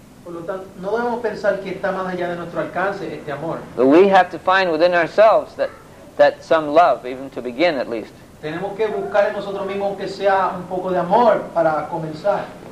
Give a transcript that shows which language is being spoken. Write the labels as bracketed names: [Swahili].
[Spanish] Por lo tanto, no debemos pensar que está más allá de nuestro alcance este amor. [English] But we have to find within ourselves that some love, even to begin at least. [Spanish] Tenemos que buscar en nosotros mismos que sea un poco de amor para comenzar.